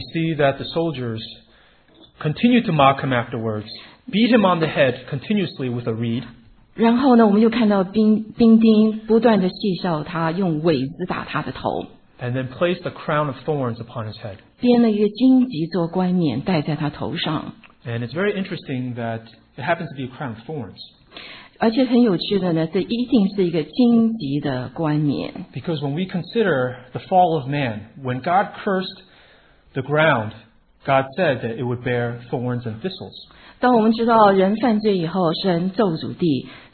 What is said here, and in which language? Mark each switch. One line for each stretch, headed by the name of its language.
English: see that the soldiers continue to mock him afterwards, beat him on the head continuously with a reed.
Chinese: 然后呢，我们又看到兵丁不断的戏笑他，用苇子打他的头。
English: And then placed a crown of thorns upon his head.
Chinese: 编了一个荆棘做冠冕戴在他头上。
English: And it's very interesting that it happens to be a crown of thorns.
Chinese: 而且很有趣的呢，这一定是一个荆棘的冠冕。
English: Because when we consider the fall of man, when God cursed the ground, God said that it would bear thorns and thistles.
Chinese: 当我们知道人犯罪以后，神咒诅地。